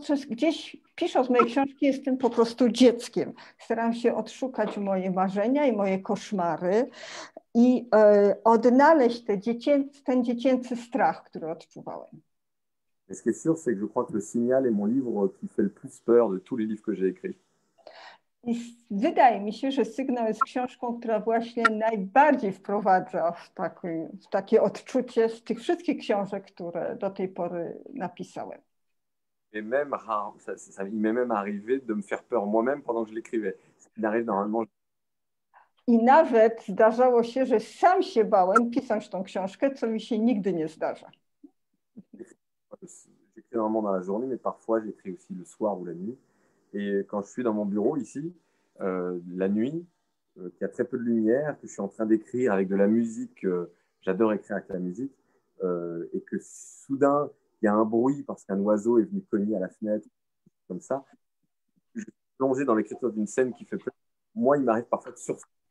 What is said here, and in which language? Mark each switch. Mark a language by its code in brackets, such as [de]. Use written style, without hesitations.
[pl] Gdzieś pisząc moje książki, jestem po prostu dzieckiem. Staram się odszukać moje marzenia i moje koszmary i odnaleźć ten dziecięcy strach, który odczuwałem. [fr] Mais ce qui est sûr, c'est que je crois que Le Signal est mon livre qui fait le plus peur de tous les livres que j'ai écrits. [pl] I wydaje mi się, że Sygnał jest książką, która właśnie najbardziej wprowadza w takie odczucie z tych wszystkich książek, które do tej pory napisałem. [fr] Et même, il m'est même arrivé de me faire peur moi-même pendant que je l'écrivais. Ce qui n'arrive normalement jamais. [pl] I nawet zdarzało się, że sam się bałem pisać tą książkę, co mi się nigdy nie zdarza. [fr] J'écris normalement dans la journée, mais parfois j'écris aussi le soir ou la nuit. Et quand je suis dans mon bureau ici, la nuit, qu'il y a très peu de lumière, que je suis en train d'écrire avec de la musique, j'adore écrire avec la musique, et que soudain il y a un bruit parce qu'un oiseau est venu cogner à la fenêtre, comme ça, je suis plongé dans l'écriture d'une scène qui fait peur. Moi, il m'arrive parfois de sursauter.